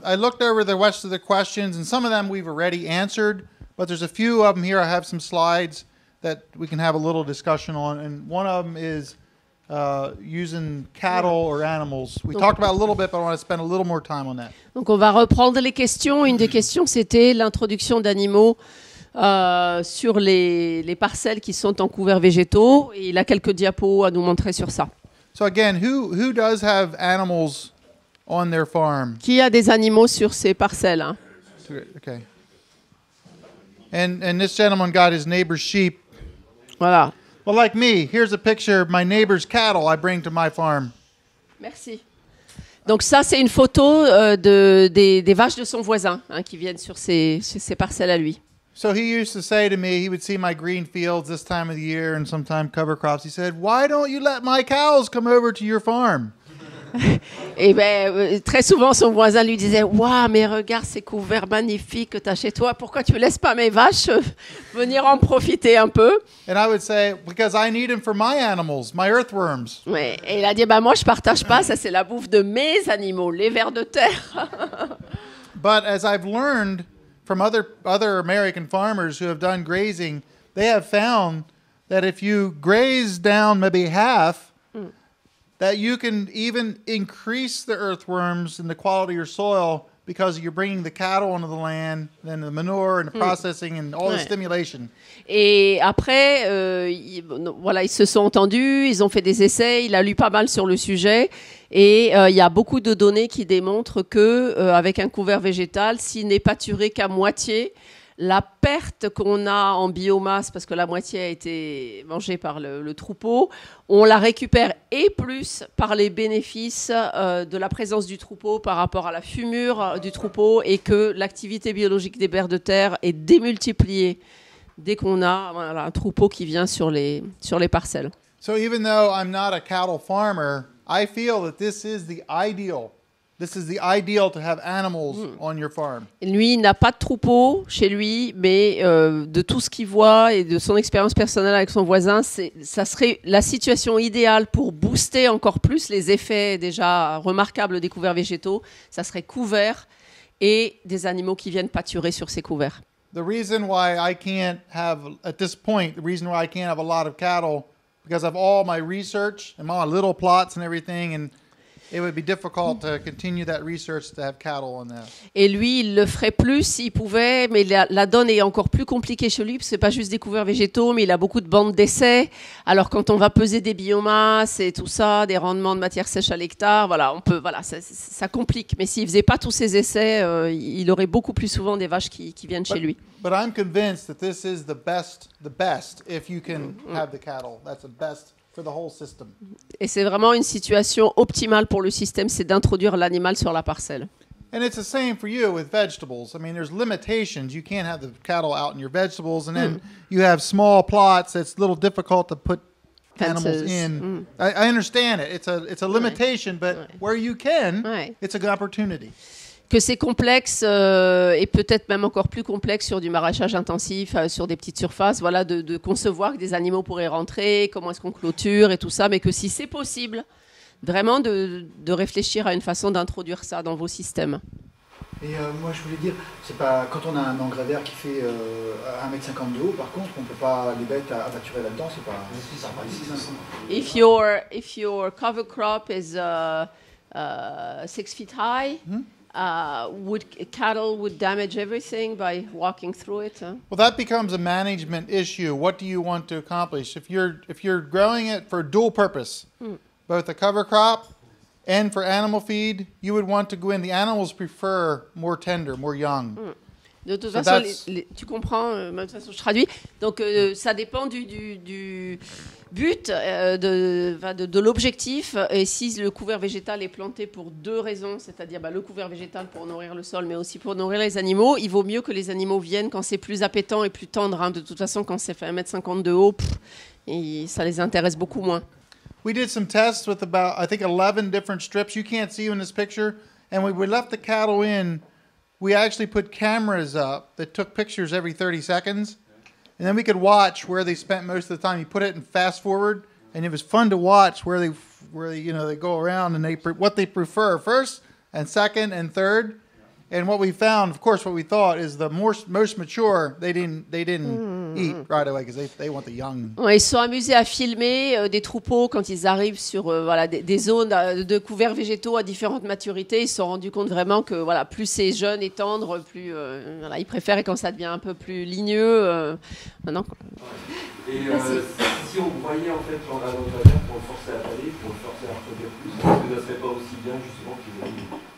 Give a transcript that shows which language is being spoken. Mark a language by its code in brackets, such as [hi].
[en] I looked over the rest of the questions, and some of them we've already answered, but there's a few of them here. I have some slides that we can have a little discussion on, and one of them is using cattle or animals. We talked about it a little bit, but I want to spend a little more time on that. [fr] Donc on va reprendre les questions. Une des questions, c'était l'introduction d'animaux sur les parcelles qui sont en couverts végétaux. Et il a quelques diapos à nous montrer sur ça. [en] So again, who does have animals on their farm? [fr] Qui a des animaux sur ses parcelles, [en] hein? Okay. And this gentleman got his neighbor's sheep. [fr] Voilà. [en] Well, like me, here's a picture of my neighbor's cattle I bring to my farm. [fr] Merci. Donc ça, c'est une photo des vaches de son voisin, hein, qui viennent sur ses parcelles à lui. [en] So he used to say to me, he would see my green fields this time of the year and sometime cover crops. He said, why don't you let my cows come over to your farm? [fr] Et bien, très souvent, son voisin lui disait, waouh, mais regarde ces couverts magnifiques que tu as chez toi. Pourquoi tu ne laisses pas mes vaches venir en profiter un peu? [en] And I would say, because I need them for my animals, my earthworms. [fr] Ouais. Et il a dit, moi, je ne partage pas. Ça, c'est la bouffe de mes animaux, les vers de terre. [en] But as I've learned from other American farmers who have done grazing, they have found that if you graze down maybe half, that you can even increase the earthworms and the quality of your soil because you're bringing the cattle onto the land, then the manure and the processing and all the stimulation. [fr] Et après, ils se sont entendus, ils ont fait des essais, il a lu pas mal sur le sujet, et il y a beaucoup de données qui démontrent que avec un couvert végétal, s'il n'est pâturé qu'à moitié, la perte qu'on a en biomasse, parce que la moitié a été mangée par le troupeau, on la récupère et plus par les bénéfices de la présence du troupeau par rapport à la fumure du troupeau et que l'activité biologique des vers de terre est démultipliée dès qu'on a un troupeau qui vient sur les parcelles. [en] So even though I'm not a cattle farmer, I feel that this is the ideal. This is the ideal to have animals on your farm. [fr] Lui, il n'a pas de troupeau chez lui, mais de tout ce qu'il voit et de son expérience personnelle avec son voisin, ça serait la situation idéale pour booster encore plus les effets déjà remarquables des couverts végétaux. Ça serait couvert et des animaux qui viennent pâturer sur ces couverts. [en] The reason why I can't have, at this point, the reason why I can't have a lot of cattle, because of all my research and my little plots and everything, and it would be difficult to continue that research to have cattle on that. [fr] Et lui, il le ferait plus s'il pouvait, mais la donne est encore plus compliquée chez lui, parce que c'est pas juste des couverts végétaux, mais il a beaucoup de bandes d'essais. Alors quand on va peser des biomasses et tout ça, des rendements de matière sèche à l'hectare, voilà, on peut, voilà, ça complique. Mais s'il faisait pas tous ces essais, il aurait beaucoup plus souvent des vaches qui viennent chez lui. [en] But I'm convinced that this is the best if you can have the cattle. That's the best. For the whole system. [fr] Et c'est vraiment une situation optimale pour le système, c'est d'introduire l'animal sur la parcelle. [en] And it's the same for you with vegetables. I mean, there's limitations. You can't have the cattle out in your vegetables, and then you have small plots. It's a little difficult to put fences. Animals in. I understand it. It's a limitation, but where you can, it's a good opportunity. [fr] Que c'est complexe et peut-être même encore plus complexe sur du maraîchage intensif, sur des petites surfaces, voilà, de concevoir que des animaux pourraient rentrer, comment est-ce qu'on clôture et tout ça, mais que si c'est possible, vraiment de réfléchir à une façon d'introduire ça dans vos systèmes. Et moi, je voulais dire, c'est pas quand on a un engrais vert qui fait 1,50 m de haut, par contre, on peut pas les bêtes à pâturer là-dedans, c'est pas ici, ça va ici. [en] If your cover crop is 6 feet high. Would cattle damage everything by walking through it? Huh? Well, that becomes a management issue. What do you want to accomplish? If you're growing it for a dual purpose, both a cover crop and for animal feed, you would want to go in. The animals prefer more tender, more young. [fr] De toute façon, tu comprends, de toute façon, je traduis. Donc, ça dépend du but, de l'objectif. Et si le couvert végétal est planté pour deux raisons, c'est-à-dire le couvert végétal pour nourrir le sol, mais aussi pour nourrir les animaux, il vaut mieux que les animaux viennent quand c'est plus appétant et plus tendre. Hein. De toute façon, quand c'est fait 1,50 m de haut, ça les intéresse beaucoup moins. [en] We did some tests with about, I think, 11 different strips. You can't see in this picture. And we left the cattle in. We actually put cameras up that took pictures every 30 seconds. And then we could watch where they spent most of the time. You put it in fast forward, and it was fun to watch where they go around and what they prefer. First, and second and third. And what we found, of course, what we thought is the most mature, they didn't mm-hmm. eat right away because they want the young. [fr] Ouais, ils sont amusés à filmer des troupeaux quand ils arrivent sur des zones de couverts végétaux à différentes maturités. Ils se sont rendus compte vraiment que plus c'est jeune et tendre, plus ils préfèrent quand ça devient un peu plus ligneux. Maintenant. Et si on voyait en fait pendant notre affaire pour le forcer à parler, pour le forcer à produire plus, est-ce que ça serait pas aussi bien justement qu'il aille.